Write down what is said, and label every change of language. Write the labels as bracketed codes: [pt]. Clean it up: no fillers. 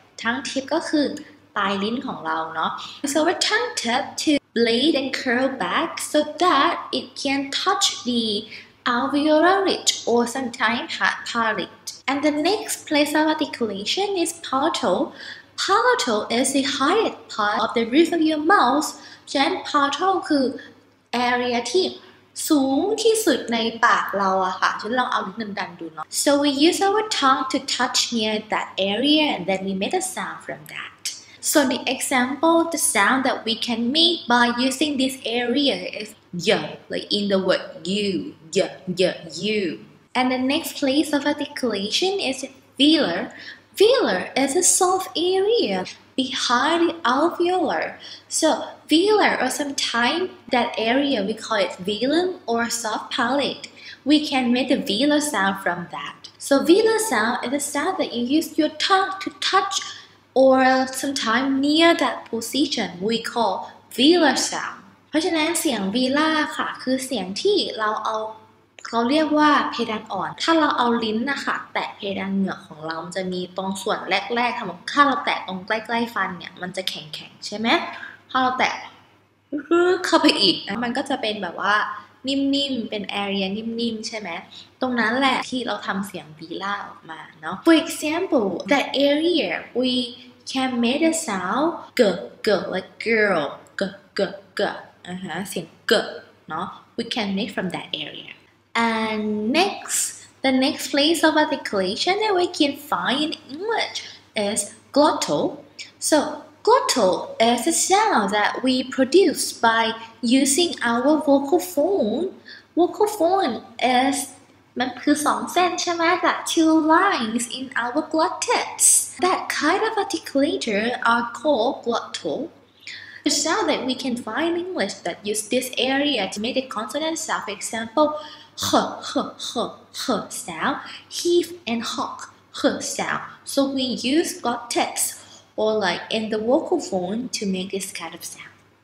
[en] Tongue tip [th] ก็คือปลายลิ้นของเราเนาะ. [en] So our tongue tip to blade and curl back so that it can touch the alveolar ridge or sometimes palate. And the next place of articulation is palatal. Palatal is the highest part of the roof of your mouth. [th] ฉะนั้น palatal คือ area ที่สูงที่สุดในปากเราอะค่ะฉันลองเอาลิ้นดันๆดูเนาะ. [en] So we use our tongue to touch near that area and then we make a sound from that. So the example, the sound that we can make by using this area is yeah, like in the word you, you. And the next place of articulation is velar. Velar is a soft area behind the alveolar. So velar, or sometimes that area we call it velum or soft palate. We can make the velar sound from that. So velar sound is a sound that you use your tongue to touch or sometimes near that position we call velar sound. [th] เพราะฉะนั้นเสียงวีล่าค่ะคือเสียงที่เราเรียกว่าเพดานอ่อนถ้าเราเอาลิ้นนะคะแตะเพดานเหงือกของเรามันจะมีตรงส่วนแรกๆทำให้ถ้าเราแตะตรงใกล้ๆฟันเนี่ยมันจะแข็งๆใช่ไหมพอเราแตะ เข้าไปอีกมันก็จะเป็นแบบว่านิ่มๆเป็น area นิ่มๆใช่ไหมตรงนั้นแหละที่เราทำเสียงวีล่าออกมาเนาะ [en] For example that area we can make the sound girl like girl girl เสียง girl เนาะ we can make from that areaAnd next, the next place of articulation that we can find in English is glottal. So glottal is a sound that we produce by using our vocal phone. Vocal phone is, [th] มันคือสองเส้นใช่ไหม [en] that two lines in our glottis. That kind of articulator are called glottal. The sound that we can find in English that use this area to make the consonant sound, for example,h sound, heave and hawk, h sound. So we use glottis or like in the vocal phone to make this kind of sound.